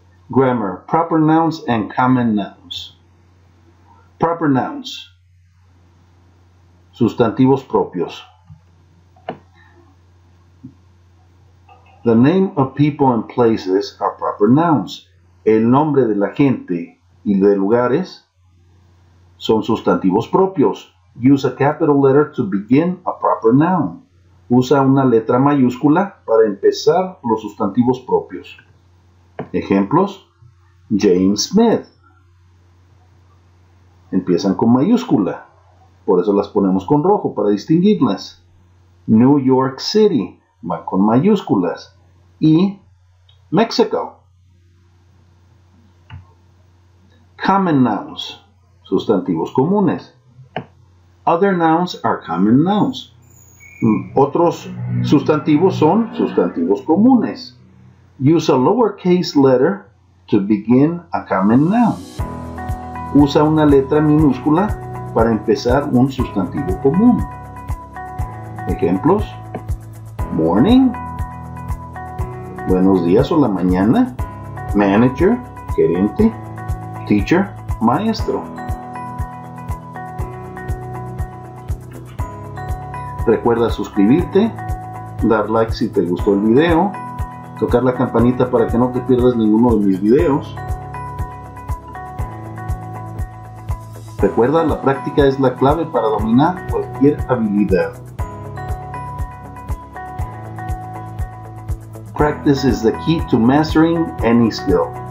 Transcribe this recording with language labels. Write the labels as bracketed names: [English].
[English] Grammar, proper nouns and common nouns. Proper nouns. [Spanish] Sustantivos propios. [English] The name of people and places are proper nouns. [Spanish] El nombre de la gente y de lugares son sustantivos propios. [English] Use a capital letter to begin a proper noun. [Spanish] Usa una letra mayúscula para empezar los sustantivos propios. Ejemplos. James Smith. Empiezan con mayúscula. Por eso las ponemos con rojo para distinguirlas. New York City. Va con mayúsculas. Y Mexico. [English] Common nouns. [Spanish] Sustantivos comunes. [English] Other nouns are common nouns. [Spanish] Otros sustantivos son sustantivos comunes. [English] Use a lowercase letter to begin a common noun. [Spanish] Usa una letra minúscula para empezar un sustantivo común. Ejemplos. Morning. Buenos días o la mañana. Manager, gerente. Teacher, maestro. Recuerda suscribirte, dar like si te gustó el video, tocar la campanita para que no te pierdas ninguno de mis videos. Recuerda, la práctica es la clave para dominar cualquier habilidad. [English] Practice is the key to mastering any skill.